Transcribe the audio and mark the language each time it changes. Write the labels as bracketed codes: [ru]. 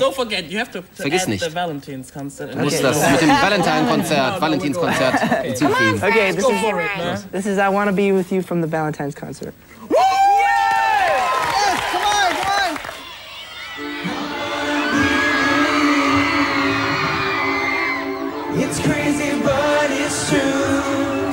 [en] Don't forget, you have to add the Valentine's concert. [de] Muss das mit dem Valentine's Concert, Valentin's Konzert hinzufügen. [en] Okay, this is I Wanna Be With You from the Valentine's Concert. It's crazy, but it's true.